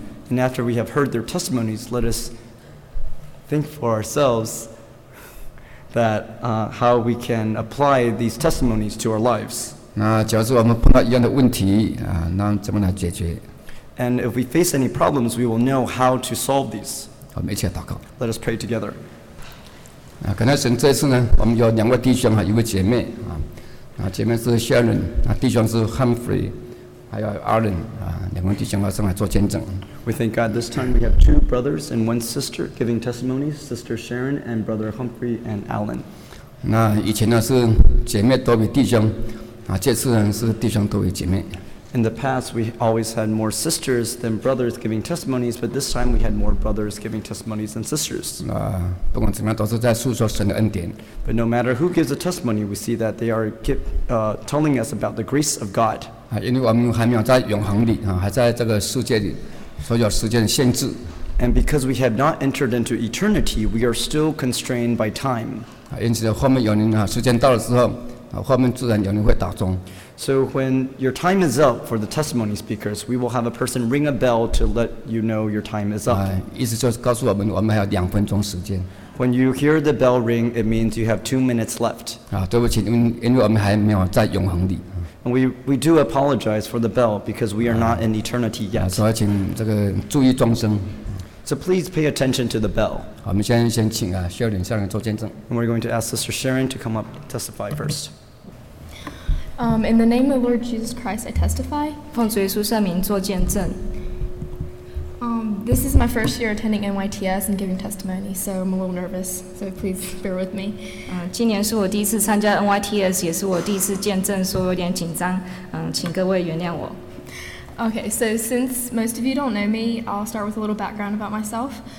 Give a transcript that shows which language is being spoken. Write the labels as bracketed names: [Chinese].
[English] And after we have heard their testimonies, let us think for ourselves that how we can apply these testimonies to our lives. [Chinese] 那假如我们碰到一样的问题啊，那怎么来解决 [English] ？And if we face any problems, we will know how to solve these. [Chinese] 我们一起来祷告。 [English] Let us pray together. [Chinese] 啊，感谢神，这次呢，我们有两位弟兄和一位姐妹啊，姐妹是 Sharon， 弟兄是 Humphrey， 还有 Allen 啊，两位弟兄要上来做见证。 [English] We thank God this time we have two brothers and one sister giving testimonies, Sister Sharon and Brother Humphrey and Allen. [Chinese] 那以前呢是姐妹多于弟兄。这次是弟兄多于姐妹。 [English] In the past, we always had more sisters than brothers giving testimonies, but this time we had more brothers giving testimonies than sisters. [Chinese] 不管怎么样，都是在诉说神的恩典。 [English] But no matter who gives a testimony, we see that they are telling us about the grace of God. [Chinese] 因为我们还没有在永恒里，还在这个世界里，所以有时间的限制。 [English] And because we have not entered into eternity, we are still constrained by time. [Chinese] 因此后面有人时间到了之后。画面自然有人会打钟。 [English] So when your time is up for the testimony speakers, we will have a person ring a bell to let you know your time is up. [Chinese] 意思就是告诉我们，我们还有两分钟时间。 [English] When you hear the bell ring, it means you have 2 minutes left. [Chinese] 对不起，因为我们还没有在永恒里。 [English] And we do apologize for the bell because we are not in eternity yet. [Chinese] 所以请这个注意钟声。 [English] So please pay attention to the bell. [Chinese] 我们先请Sharon 下来做见证。 [English] And we're going to ask Sister Sharon to come up and testify first. In the name of Lord Jesus Christ, I testify. [Chinese] 奉主耶稣圣名做见证。 [English] This is my first year attending NYTS and giving testimony, so I'm a little nervous, so please bear with me. [Chinese] 今年是我第一次参加 NYTS, 也是我第一次见证，所以有点紧张，请各位原谅我。 [English] Okay, so since most of you don't know me, I'll start with a little background about myself.